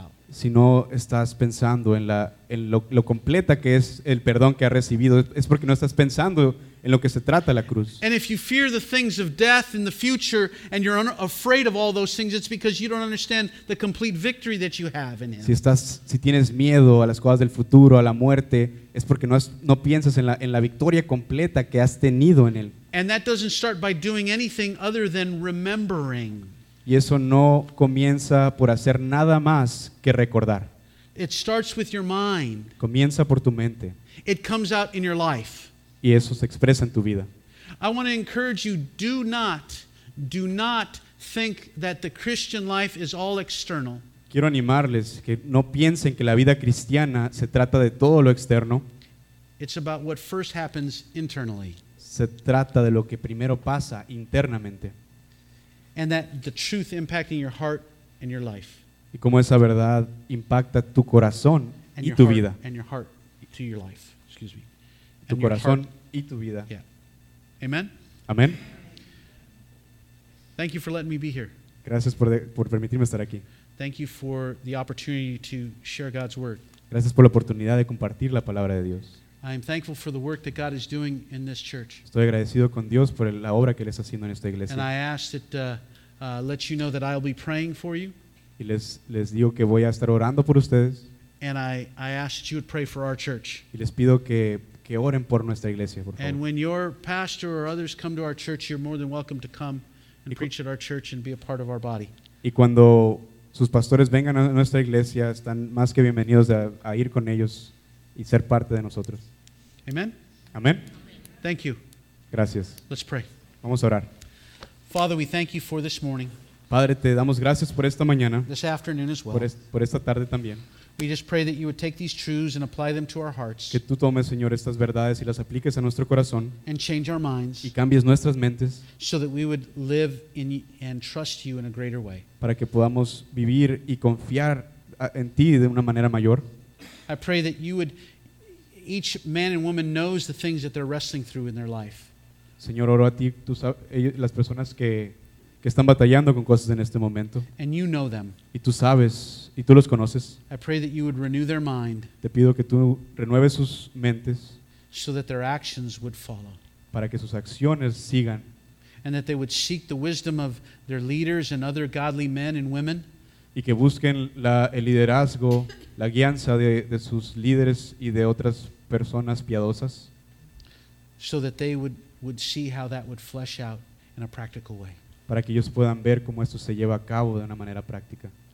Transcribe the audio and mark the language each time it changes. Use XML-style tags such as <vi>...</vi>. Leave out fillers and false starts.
<es>Si no estás pensando en lo completa que es el perdón que ha recibido, es porque no estás pensando en lo que se trata la cruz.</es> <en>And if you fear the things of death in the future and you're afraid of all those things, it's because you don't understand the complete victory that you have in him.</en> <es>Si tienes miedo a las cosas del futuro, a la muerte, es porque no piensas en la victoria completa que has tenido en él.</es> <en>And that doesn't start by doing anything other than remembering.</en> <es>Y eso no comienza por hacer nada más que recordar.</es> <en>It starts with your mind.</en> <es>Comienza por tu mente.</es> <en>It comes out in your life.</en> <es>Y eso se expresa en tu vida.</es> <en>I want to encourage you, do not think that the Christian life is all external.</en> <es>Quiero animarles que no piensen que la vida cristiana se trata de todo lo externo.</es> <en>It's about what first happens internally.</en> <es>Se trata de lo que primero pasa internamente.</es> <en>And that the truth impacting your heart and your life.</en> <es>Y cómo esa verdad impacta tu corazón</es> <en>and</en> <es>y tu vida.</es> <en>And your heart to your life. Excuse me.</en> <es>Tu and corazón y tu vida.</es> <en>Yeah. Amen.</en> <es>Amen.</es> <en>Thank you for letting me be here.</en> <es>Gracias por permitirme estar aquí.</es> <en>Thank you for the opportunity to share God's word.</en> <es>Gracias por la oportunidad de compartir la palabra de Dios.</es> <en>I am thankful for the work that God is doing in this church.</en> <es>Estoy agradecido con Dios por la obra que él está haciendo en esta iglesia.</es> <en>And I ask that let you know that I'll be praying for you.</en> <es>Y les digo que voy a estar orando por ustedes.</es> <en>And I ask that you would pray for our church.</en> <es>Y les pido que oren por nuestra iglesia, por favor.</es> <en>And when your pastor or others come to our church, you're more than welcome to come and preach at our church and be a part of our body.</en> <es>Y cuando sus pastores vengan a nuestra iglesia, están más que bienvenidos a ir con ellos y ser parte de nosotros.</es> <en>Amen.</en> <es>Amen.</es> <en>Thank you.</en> <es>Gracias.</es> <en>Let's pray.</en> <es>Vamos a orar.</es> <en>Father, we thank you for this morning.</en> <es>Padre, te damos gracias por esta mañana.</es> <en>This afternoon as well.</en> <es>Por esta tarde también.</es> <en>We just pray that you would take these truths and apply them to our hearts.</en> <es>Que tú tomes, Señor, estas verdades y las apliques a nuestro corazón.</es> <en>And change our minds.</en> <es>Y cambies nuestras mentes.</es> <en>So that we would live in and trust you in a greater way.</en> <es>Para que podamos vivir y confiar en ti de una manera mayor.</es> <en>I pray that you would, each man and woman knows the things that they're wrestling through in their life.</en> <es>Señor, oro a ti, tú sabes, las personas que están batallando con cosas en este momento.</es> <en>And you know them.</en> <es>Y tú sabes, y tú los conoces.</es> <en>I pray that you would renew their mind.</en> <es>Te pido que tú renueves sus mentes.</es> <en>So that their actions would follow.</en> <es>Para que sus acciones sigan.</es> <en>And that they would seek the wisdom of their leaders and other godly men and women.</en> <es>Y que busquen el liderazgo, la guianza de sus líderes y de otras personas piadosas.</es> <en>So that they would see how that would flesh out in a practical way.</en> <es>Para que ellos puedan ver cómo esto se lleva a cabo de una manera práctica.</es>